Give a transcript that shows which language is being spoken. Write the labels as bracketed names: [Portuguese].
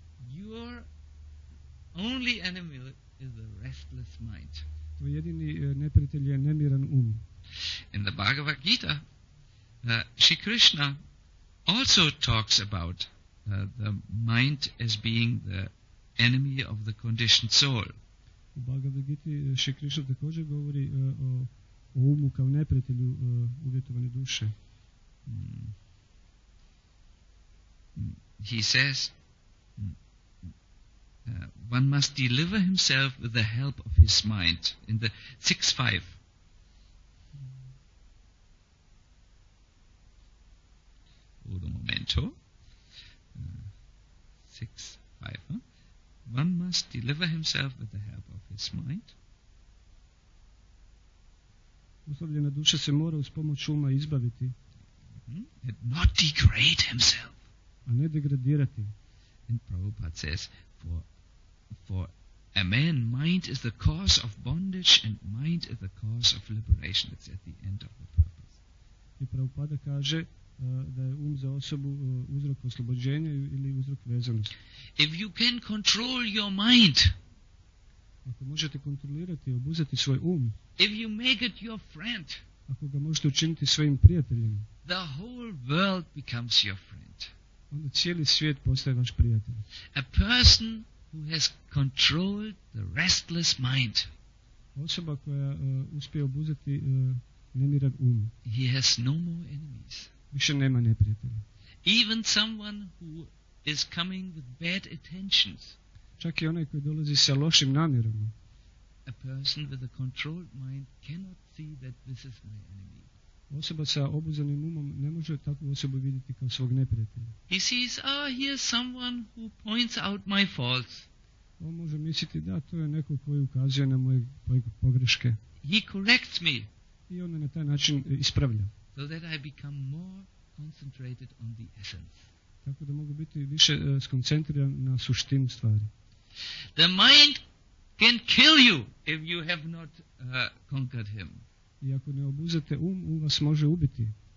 [English] Your only enemy is a restless mind. [Croatian] Tvoj jedini neprijatelj je nemiran um. [English] In the Bhagavad Gita, Shri Krishna also talks about the mind as being the enemy of the conditioned soul. [Croatian] U Bhagavad Gita Shri Krishna također govori o umu kao neprijatelju uvjetovane duše. [English] He says one must deliver himself with the help of his mind in the 6.5. [Spanish] Un momento. [English] 6.5. One must deliver himself with the help of his mind. [Croatian] Uslovljena duša se mora uz pomoć uma izbaviti. [English] And not degrade himself. [Croatian] A ne degradirati. [English] And Prabhupada says, for a man, mind is the cause of bondage and mind is the cause of liberation. It's at the end of the purpose. [Croatian] I Prabhupada kaže, da je um za osobu uzrok oslobođenja ili uzrok vezanosti. [English] If you can control your mind, [Croatian] ako možete kontrolirati, obuzeti svoj um, [English] if you make it your friend, [Croatian] ako ga možete učiniti svojim prijateljem, [English] the whole world becomes your friend. [Croatian] Onda cijeli svijet postaje vaš prijatelj. [English] A person who has controlled the restless mind, [Croatian] osoba koja uspije obuzeti nemiran um, [English] he has no more enemies. [Croatian] Više nema neprijatelja. [English] Even someone who is coming with bad intentions. [Croatian] Čak i onaj koji dolazi sa lošim namjerama. [English] A person with a controlled mind cannot see that this is my enemy. [Croatian] Osoba sa obuzanim umom ne može takvu osobu vidjeti kao svog neprijatelja. [English] He sees, oh, here is someone who points out my faults. [Croatian] On može misliti, da, to je neko koji ukazuje na moje pogreške. [English] He corrects me. [Croatian] I on me na taj način ispravlja. [English] So that I become more concentrated on the essence. [Croatian] Tako da mogu biti više skoncentriran na suštinu stvari. [English] The mind can kill you if you have not conquered him. [Croatian] I ako ne obuzete um, um vas može ubiti.